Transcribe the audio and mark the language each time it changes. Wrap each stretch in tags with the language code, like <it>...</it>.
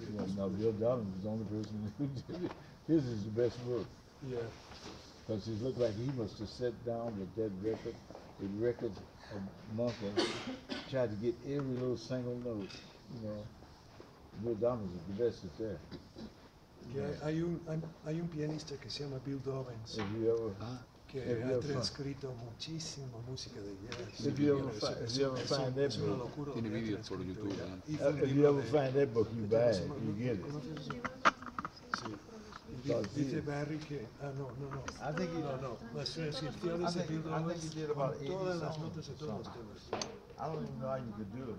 <en>Yeah, no, Bill Dobbins is the only person who did it. His is the best book. Yeah. Because he looked like he must have sat down with that record, the record of Monka, tried to get every little single note, you know. Bill Dobbins is the best at that.</en> <es>Hay un pianista que se llama Bill Dobbins que ha transcrito muchísima música de jazz.</es> <en>If you ever find that book,</en> <es>tiene video por YouTube.</es> <en>If you ever find that book, you buy it, you get it.</en> <es>Dice Barry que, no.</es> <en>I think he did about 80 songs.</en> <es>Todas las notas de todos.</es> <en>I don't even know how you could do it.</en>